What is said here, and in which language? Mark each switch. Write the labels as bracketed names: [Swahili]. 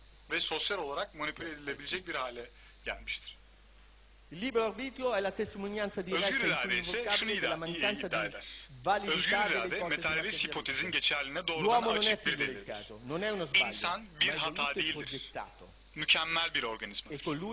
[Turkish] Ve sosyal olarak manipüle edilebilecek bir hale gelmiştir. [Italian] Libero arbitrio è la testimonianza diretta equivocabile della mancanza di validità delle ipotesi. [Turkish] Özgür irade, materyalist hipotezin geçerliliğine doğrudan açık bir delildir. İnsan bir hata değildir. Mükemmel bir organizmadır.